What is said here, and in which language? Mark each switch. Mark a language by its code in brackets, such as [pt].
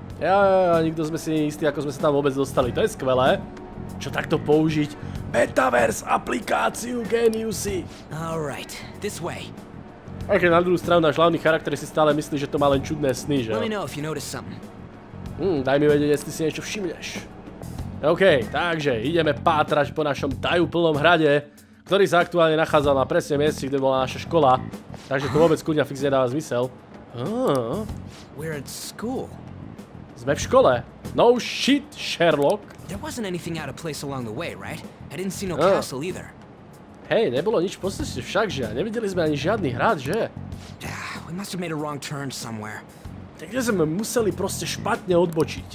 [sk] Ja, nikto sme si istý, ako sme sa tam vôbec dostali, to je skvelé. Čo takto použiť? Metaverse aplikáciu, geniusy! [en] All right, this way. [sk] OK, na druhú stranu náš hlavný charakter si stále myslí, že to má len čudné sny, že? [en] Let me know if you notice something. [sk] Daj mi vedieť, jestli si niečo všimneš. OK, takže ideme pátrať po našom tajúplnom hrade, ktorý sa aktuálne nachádzal na presne mieste, kde bola naša škola. Takže to vôbec kuňa fix nedáva zmysel. [en] We're at school. [sk] Sme v škole. [en] No shit, Sherlock. There wasn't anything out of place along the way, right? I didn't see no castle either. [sk] Hej, nebolo nič po ceste všakže a nevideli sme ani žiadny hrad, že? [en] We must have made a wrong turn somewhere. [sk] Takže sme museli proste špatne odbočiť.